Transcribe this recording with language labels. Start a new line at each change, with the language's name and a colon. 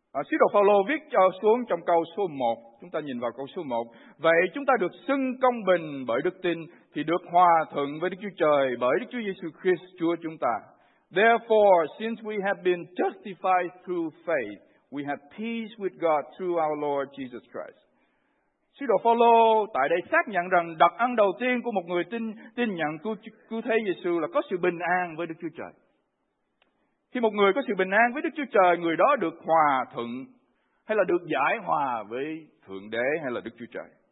Vietnamese: Sứ đồ Phao-lô viết cho xuống trong câu số 1, chúng ta nhìn vào câu số 1. Vậy chúng ta được xưng công bình bởi đức tin, thì được hòa thuận với Đức Chúa Trời bởi Đức Chúa Giêsu Christ, Chúa chúng ta.
English: Therefore, since we have been justified through faith, We have peace with God through our Lord Jesus Christ.
Vietnamese: Sứ đồ Phaolô tại đây xác nhận rằng đặc ân đầu tiên của một người tin nhận cứu thế Giêsu là có sự bình an với Đức Chúa Trời. Khi một người có sự bình an với Đức Chúa Trời, người đó được hòa thuận hay là được giải hòa với Thượng Đế hay là Đức Chúa Trời.